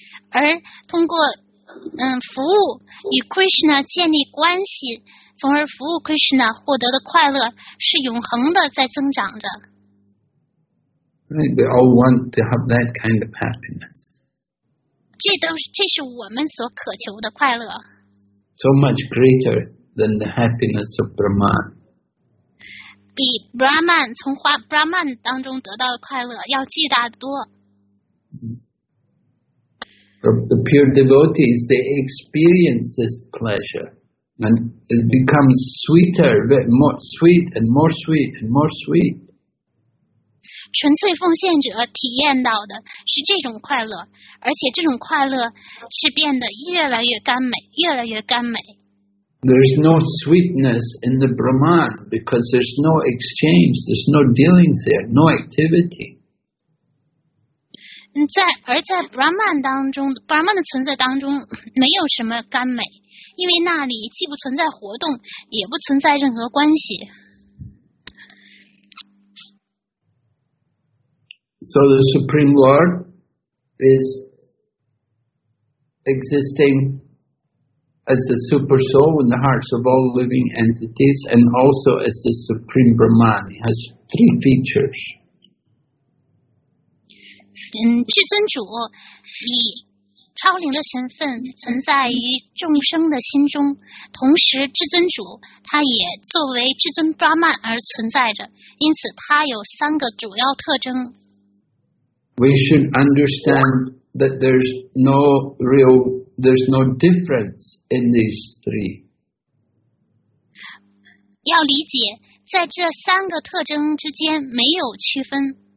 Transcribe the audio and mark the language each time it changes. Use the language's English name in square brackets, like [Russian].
[Chinese] 而通过服务与 Krishna 建立关系，从而服务 Krishna 获得的快乐是永恒的，在增长着。 [English] Right, we all want to have that kind of happiness. [Chinese] 这是我们所渴求的快乐。 [English] So much greater than the happiness of Brahman. [Chinese] 比 Brahman 从 Brahman 当中得到的快乐要巨大的多。 [English] The pure devotees, they experience this pleasure and it becomes sweeter, more sweet and more sweet and more sweet. [Chinese] 纯粹奉献者体验到的是这种快乐，而且这种快乐是变得越来越甘美，越来越甘美。 [English] There is no sweetness in the Brahman because there's no exchange, there's no dealings there, no activity. [Chinese] 而在 Brahman 当中 ，Brahman 的存在当中没有什么甘美，因为那里既不存在活动，也不存在任何关系。 [English] So the Supreme Lord is existing as the super soul in the hearts of all living entities, and also as the Supreme Brahman. He has three features. [Chinese] 至尊主以超灵的身份存在于众生的心中，同时至尊主他也作为至尊 Brahman 而存在着，因此他有三个主要特征。 [English] We should understand that there's no difference in these three. [Chinese] 要理解，在这三个特征之间没有区分。